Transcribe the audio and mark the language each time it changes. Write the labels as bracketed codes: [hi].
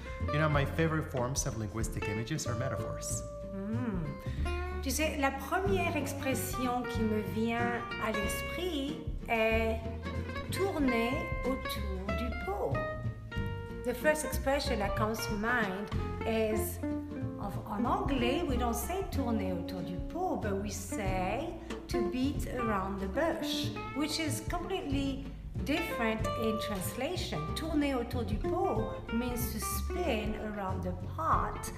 [en] You know, my favorite forms of linguistic images are metaphors. [fr] Tu sais, la première expression qui me vient à l'esprit est tourner autour du pot. [en] The first expression that comes to mind is, [fr] en anglais, [en] we don't say [fr] tourner autour du pot, [en] but we say to beat around the bush, which is completely different in translation. [fr] Tourner autour du pot [en] means to spin around the pot.